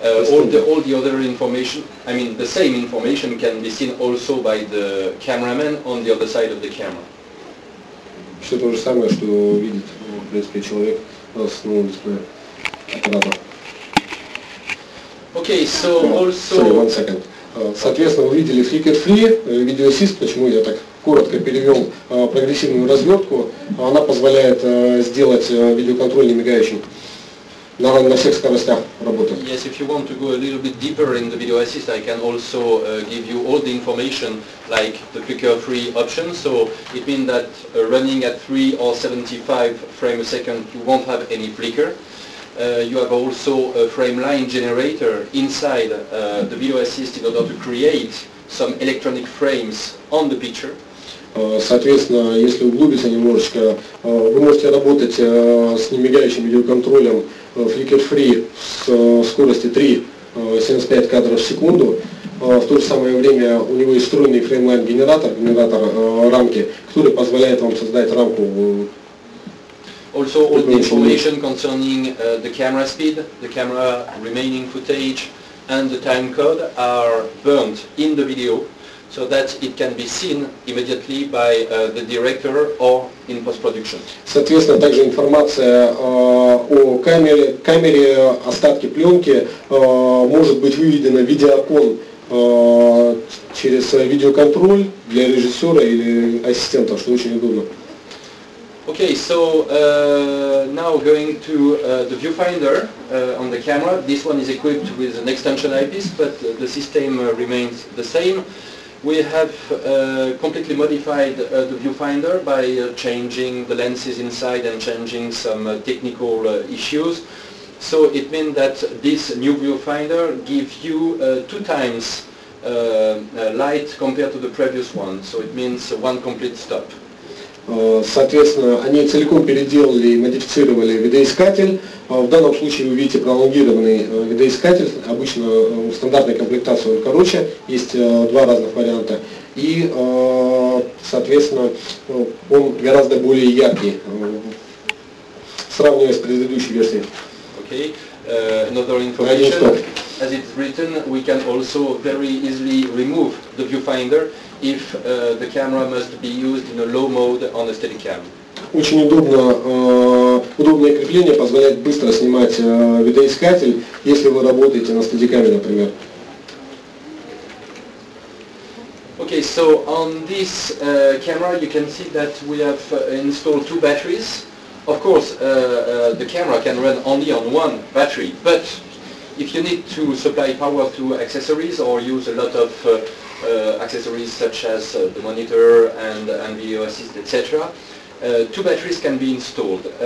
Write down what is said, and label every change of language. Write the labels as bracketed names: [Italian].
[English] All the other information, I mean the same information can be seen also by the cameraman on the other side of the camera. [Russian] Все то же самое, что видит, в принципе, человек с новым дисплеем аппарата. [English] Okay, so also... Sorry, one second. [Russian] Соответственно, вы видели flicker-free видеоассист, почему я так коротко перевел прогрессивную развертку. Она позволяет сделать видеоконтроль не мигающим. На всех скоростях работы. [English] Yes, if you want to go a little bit deeper in the video assist, I can also give you all the information, like the flicker-free option. So it means that running at 3 or 75 frames a second, you won't have any flicker. You have also a frame line generator inside the video assist in order to create some electronic frames on the picture. [Russian] Соответственно, если углубиться немножечко, вы можете работать с немигающим видеоконтролем flicker-free с скоростью 3,75 кадров в секунду. В то же самое время у него есть встроенный фреймлайн генератор, генератор рамки, который позволяет вам создать рамку. [English] Also all the information concerning the camera speed, the camera remaining footage and the time code are burnt in the video, so that it can be seen immediately by the director or in post-production. [Russian] Соответственно, также информация о камере, остатке пленки может быть выведена в видеоокон через видеоконтроль для режиссера или ассистента, что очень удобно. [English] Okay, so now going to the viewfinder on the camera. This one is equipped with an extension eyepiece, but the system remains the same. We have completely modified the viewfinder by changing the lenses inside and changing some technical issues. So it means that this new viewfinder gives you two times light compared to the previous one. So it means one complete stop. [Russian] Соответственно, они целиком переделали и модифицировали видоискатель. В данном случае вы видите пролонгированный видоискатель. Обычно у стандартной комплектации он короче. Есть два разных варианта. И, соответственно, он гораздо более яркий, сравнивая с предыдущей версией. [English] Okay. Another information. As it's written, we can also very easily remove the viewfinder if the camera must be used in a low mode on a steady cam. [Russian] Очень удобно, удобное крепление позволяет быстро снимать видоискатель, если вы работаете на стедикаме, например. [English] Okay, so on this camera you can see that we have installed two batteries. Of course, the camera can run only on one battery, but if you need to supply power to accessories or use a lot of accessories such as the monitor and video assist, etc., two batteries can be installed.